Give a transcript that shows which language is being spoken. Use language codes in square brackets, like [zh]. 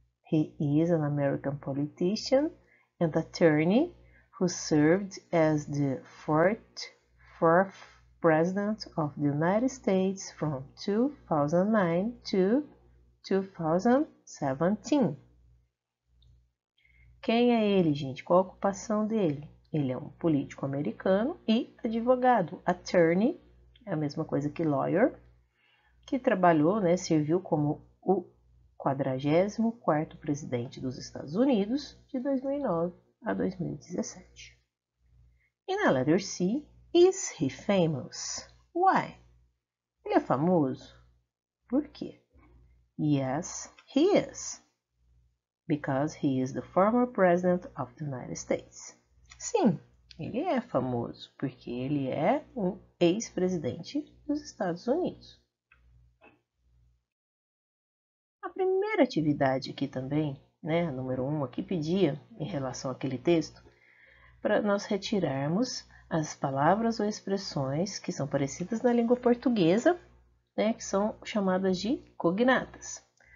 [en] He is an American politician and attorney who served as the 44th President of the United States from 2009 to 2017. [pt] Quem é ele, gente? Qual a ocupação dele? Ele é um político americano e advogado, attorney, é a mesma coisa que lawyer, que trabalhou, né, serviu como o 44º presidente dos Estados Unidos de 2009 a 2017. E na [en] letter C, is he famous? Why? [pt] Ele é famoso? Por quê? [en] Yes, he is. Because he is the former president of the United States. [pt] Sim, ele é famoso porque ele é um ex-presidente dos Estados Unidos. A primeira atividade aqui também, né, a número 1 aqui pedia, em relação àquele texto, para nós retirarmos as palavras ou expressões que são parecidas na língua portuguesa, né, que são chamadas de cognatas.